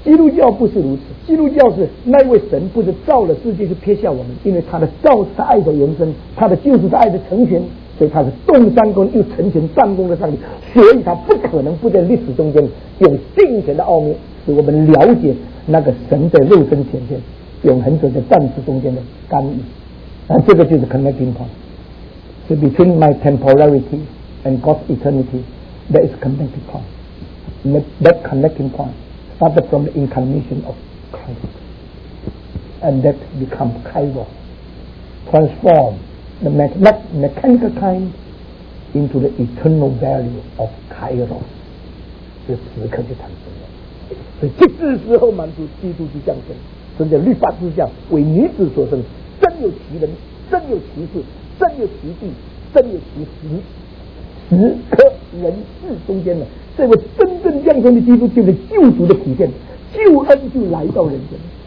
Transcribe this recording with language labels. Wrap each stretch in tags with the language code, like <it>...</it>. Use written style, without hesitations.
<zh>基督教不是如此，基督教是那位神不是造了世界就撇下我们，因为他的造是爱的延伸，他的救是爱的成全，所以他是动三公又成全三公的上帝，所以他不可能不在历史中间有定权的奥秘，使我们了解那个神的肉身显现，永恒者的暂时中间的干预。</zh> <en>那这个就是 connecting point， 是 between my temporality and God's eternity， that is connecting point， that connecting point started from the incarnation of Christ， and that become kairos， transform the mechanical kind into the eternal value of kairos，这时刻就产生了。</en> <zh>所以这时候满足基督之降生，真的律法之下为女子所生，真有其人，真有其事，真有其地，真有其时，时刻人事中间的这位真正降生的基督就是救主的体现，救恩就来到人间。</zh>